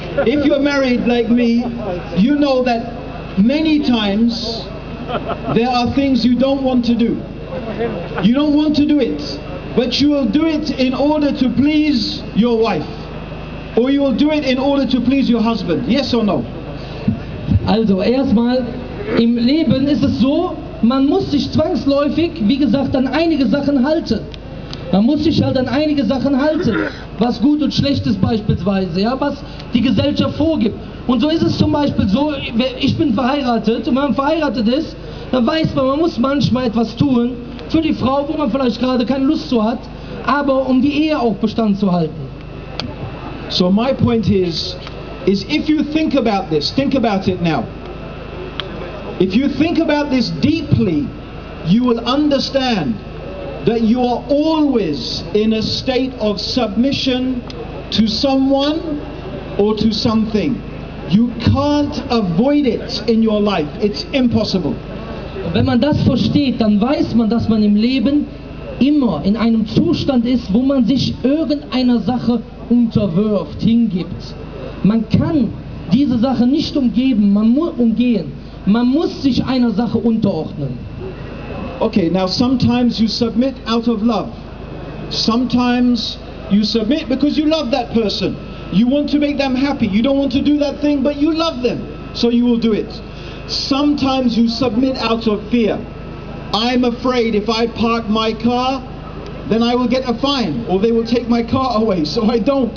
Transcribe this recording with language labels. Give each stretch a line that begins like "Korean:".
English: If you're married like me, you know that many times there are things you don't want to do. You don't want to do it, but you will do it in order to please your wife, or you will do it in order to please your husband. Yes or no?
German: Also, erstmal, im Leben ist es so, man muss sich zwangsläufig, wie gesagt, an einige Sachen halten. Man muss sich halt an einige Sachen halten, was gut und schlecht ist beispielsweise, ja, was die Gesellschaft vorgibt. Und so ist es zum Beispiel so, ich bin verheiratet, und wenn man verheiratet ist, dann weiß man, man muss manchmal etwas tun für die Frau, wo man vielleicht gerade keine Lust zu hat, aber um die Ehe auch Bestand zu halten.
English: So my point is if you think about it now. If you think about this deeply, you will understand that you are always in a state of submission to someone or to something. You can't avoid it in your life. It's impossible.
German: Wenn man das versteht, dann weiß man, dass man im Leben immer in einem Zustand ist, wo man sich irgendeiner Sache unterwirft, hingibt. Man kann diese Sache nicht umgeben, man muss umgehen. Man muss sich einer Sache unterordnen.
English: Okay, now sometimes you submit out of love. Sometimes you submit because you love that person. You want to make them happy. You don't want to do that thing, but you love them. So you will do it. Sometimes you submit out of fear. I'm afraid if I park my car, then I will get a fine, or they will take my car away. So I don't.